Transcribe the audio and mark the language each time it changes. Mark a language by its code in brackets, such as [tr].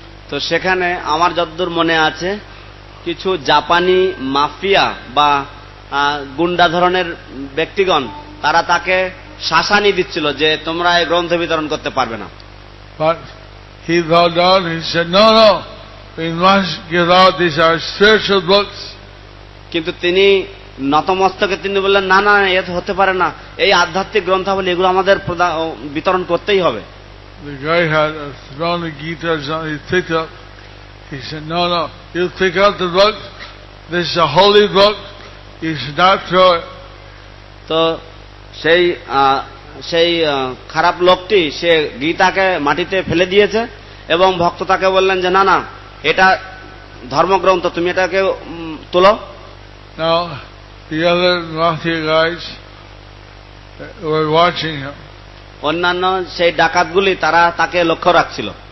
[bn] তো সেখানে আমার যতদূর মনে আছে কিছু জাপানি মাফিয়া বা গুন্ডা ধরনের ব্যক্তিগণ তারা তাকে শাসানি দিচ্ছিল যে তোমরা এই গ্রন্থ বিতরণ করতে পারবে না। [en] But he bowed down, he said, no, no, we must give out these are spiritual books. [bn] কিন্তু তিনি নতমস্তকে তিনি বললেন না না এ তো হতে পারে না, এই আধ্যাত্মিক গ্রন্থাবলী এগুলো আমাদের বিতরণ করতেই হবে। [en] The guy had thrown the Gita on his pickup. He said, no, no, you pick up the book. This is a holy book. You should not throw it. [bn] তো সেই সেই খারাপ লোকটি সে গীতাকে মাটিতে ফেলে দিয়েছে এবং ভক্ত তাকে বললেন যে না না এটা ধর্মগ্রন্থ, তুমি এটাকে তোলো। [en] Now, the other mafia guys were watching him. [bn] অন্যান্য সেই ডাকাতগুলি তারা তাকে লক্ষ্য রাখছিল।